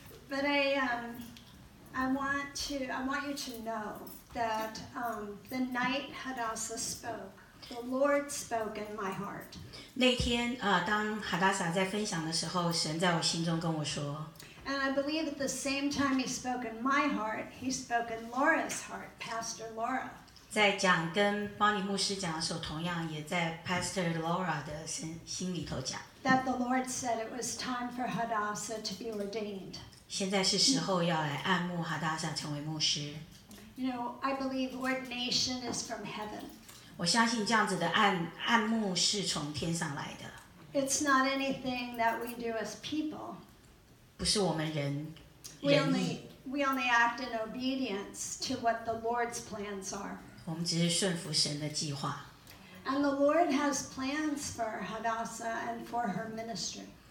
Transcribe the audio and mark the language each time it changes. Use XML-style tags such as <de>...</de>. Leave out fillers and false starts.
<en>But I want you to know that the night Hadassah spoke, the Lord spoke in my heart.</en> <zh>那天, 当 Hadassah 在分享的时候, 神在我心中跟我说,</zh> <en>And I believe at the same time he spoke in my heart, he spoke in Laura's heart, Pastor Laura.</en> <zh>在讲跟邦尼牧师讲的时候, 同样也在Pastor Laura的心里头讲,</zh> <en>That the Lord said it was time for Hadassah to be ordained.</en> <zh>现在是时候要来按牧哈达萨成为牧师。</zh> <en>You know, I believe ordination is from heaven.</en> <zh>我相信这样子的按牧是从天上来的。</zh> <en>It's not anything that we do as people.</en> <zh>不是我们人,</zh> <en>we only act in obedience to what the Lord's plans are.</en> <zh>我们只是顺服神的计划。</zh> <en>And the Lord has plans for Hadassah and for her ministry.</en>